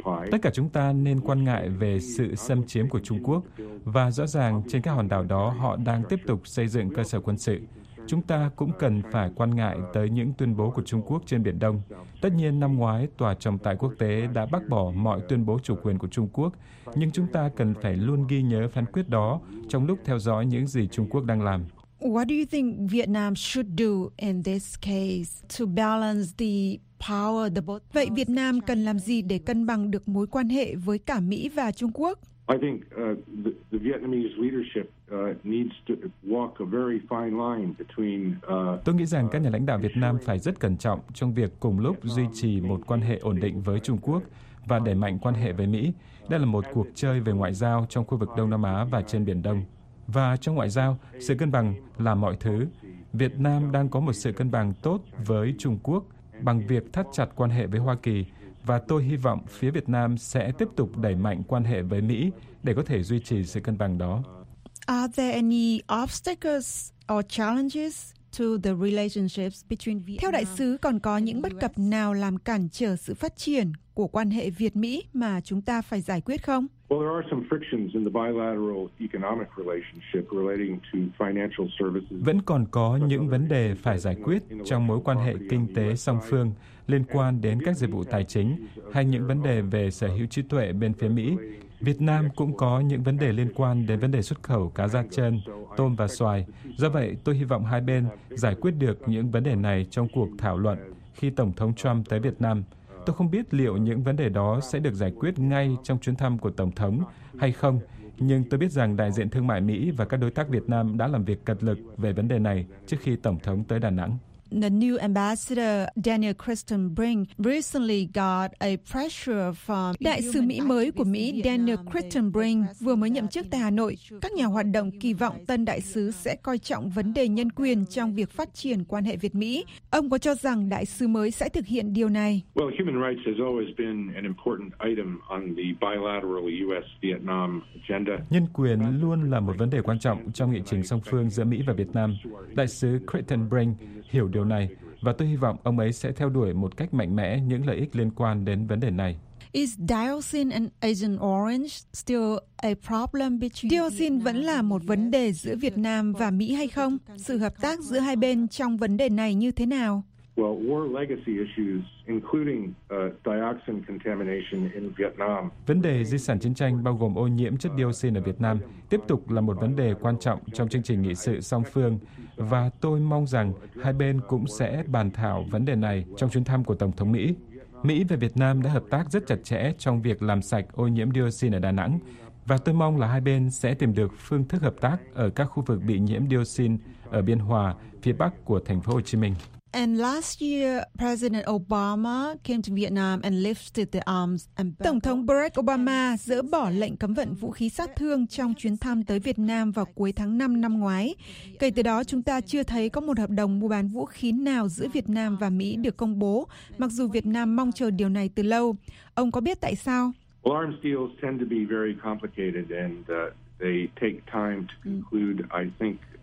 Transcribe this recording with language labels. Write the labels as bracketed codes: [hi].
[vi] Tất cả chúng ta nên quan ngại về sự xâm chiếm của Trung Quốc và rõ ràng trên các hòn đảo đó họ đang tiếp tục xây dựng cơ sở quân sự. Chúng ta cũng cần phải quan ngại tới những tuyên bố của Trung Quốc trên Biển Đông. Tất nhiên, năm ngoái, Tòa trọng tài quốc tế đã bác bỏ mọi tuyên bố chủ quyền của Trung Quốc, nhưng chúng ta cần phải luôn ghi nhớ phán quyết đó trong lúc theo dõi những gì Trung Quốc đang làm. [en] What do you think Vietnam should do in this case to balance the power, the both? [vi] Vậy Việt Nam cần làm gì để cân bằng được mối quan hệ với cả Mỹ và Trung Quốc? [en] I think the Vietnamese leadership needs to walk a very fine line between. [vi] Tôi nghĩ rằng các nhà lãnh đạo Việt Nam phải rất cẩn trọng trong việc cùng lúc duy trì một quan hệ ổn định với Trung Quốc và đẩy mạnh quan hệ với Mỹ. Đây là một cuộc chơi về ngoại giao trong khu vực Đông Nam Á và trên Biển Đông. Và trong ngoại giao, sự cân bằng là mọi thứ. Việt Nam đang có một sự cân bằng tốt với Trung Quốc bằng việc thắt chặt quan hệ với Hoa Kỳ, và tôi hy vọng phía Việt Nam sẽ tiếp tục đẩy mạnh quan hệ với Mỹ để có thể duy trì sự cân bằng đó. [en] Are there any obstacles or challenges to the relationships between Vietnam? [vi] Theo đại sứ, còn có những bất cập nào làm cản trở sự phát triển của quan hệ Việt-Mỹ mà chúng ta phải giải quyết không? [en] Well, there are some frictions in the bilateral economic relationship relating to financial services. [vi] Vẫn còn có những vấn đề phải giải quyết trong mối quan hệ kinh tế song phương liên quan đến các dịch vụ tài chính hay những vấn đề về sở hữu trí tuệ bên phía Mỹ. Việt Nam cũng có những vấn đề liên quan đến vấn đề xuất khẩu cá da trơn, tôm và xoài. Do vậy, tôi hy vọng hai bên giải quyết được những vấn đề này trong cuộc thảo luận khi Tổng thống Trump tới Việt Nam. Tôi không biết liệu những vấn đề đó sẽ được giải quyết ngay trong chuyến thăm của Tổng thống hay không, nhưng tôi biết rằng đại diện thương mại Mỹ và các đối tác Việt Nam đã làm việc cật lực về vấn đề này trước khi Tổng thống tới Đà Nẵng. [en] The new ambassador Daniel Kristen Brink recently got a pressure from. [vi] Đại sứ Mỹ mới của Mỹ Daniel Kristen Brink vừa mới nhậm chức tại Hà Nội. Các nhà hoạt động kỳ vọng tân đại sứ sẽ coi trọng vấn đề nhân quyền trong việc phát triển quan hệ Việt-Mỹ. Ông có cho rằng đại sứ mới sẽ thực hiện điều này? [en] Well, human rights has always been an important item on the bilateral U.S.-Vietnam agenda. [vi] Nhân quyền luôn là một vấn đề quan trọng trong nghị trình song phương giữa Mỹ và Việt Nam. Đại sứ Kristen Brink hiểu điều này, và tôi hy vọng ông ấy sẽ theo đuổi một cách mạnh mẽ những lợi ích liên quan đến vấn đề này. [en] Is dioxin and Agent Orange still a problem between? [vi] Dioxin vẫn là một vấn đề giữa Việt Nam và Mỹ hay không? Sự hợp tác giữa hai bên trong vấn đề này như thế nào? [en] Well, war legacy issues, including dioxin contamination in Vietnam. [vi] Vấn đề di sản chiến tranh bao gồm ô nhiễm chất dioxin ở Việt Nam tiếp tục là một vấn đề quan trọng trong chương trình nghị sự song phương, và tôi mong rằng hai bên cũng sẽ bàn thảo vấn đề này trong chuyến thăm của Tổng thống Mỹ. Mỹ và Việt Nam đã hợp tác rất chặt chẽ trong việc làm sạch ô nhiễm dioxin ở Đà Nẵng, và tôi mong là hai bên sẽ tìm được phương thức hợp tác ở các khu vực bị nhiễm dioxin ở Biên Hòa, phía Bắc của Thành phố Hồ Chí Minh. [en] And last year, President Obama came to Vietnam and lifted the arms embargo. [vi] Tổng thống Barack Obama dỡ bỏ lệnh cấm vận vũ khí sát thương trong chuyến thăm tới Việt Nam vào cuối tháng 5 năm ngoái. Kể từ đó, chúng ta chưa thấy có một hợp đồng mua bán vũ khí nào giữa Việt Nam và Mỹ được công bố, mặc dù Việt Nam mong chờ điều này từ lâu. Ông có biết tại sao? [en] Well, arms deals tend to be very complicated and they take time to conclude, I think.